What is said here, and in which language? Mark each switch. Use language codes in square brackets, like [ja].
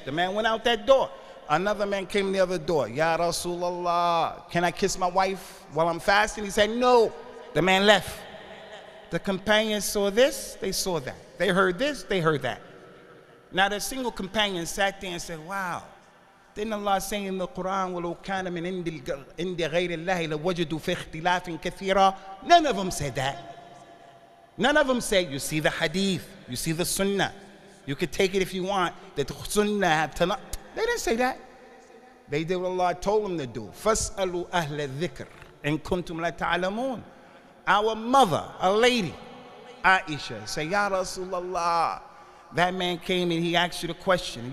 [en] The man went out that door. Another man came in the other door. Ya Rasulullah, can I kiss my wife while I'm fasting? He said, no. The man left. The companions saw this, they saw that. They heard this, they heard that. Now the single companion sat there and said, wow. Didn't Allah say in the Quran, [ar] وَلَوْ كَانَ مِنْ عِنْدِ غَيْرِ اللَّهِ لَوَجَدُوا فِي اخْتِلَافٍ كَثِيرًا? [en] None of them said that. None of them said, you see the hadith, you see the sunnah. You could take it if you want. That sunnah have tana. They didn't say that. They did what Allah told them to do. [ar] فَاسْأَلُوا أَهْلَ الذِّكْرِ إِن كُنْتُمْ لَتَعْلَمُونَ. [en] Our mother, a lady, Aisha, say, Ya Rasulullah, that man came and he asked you the question.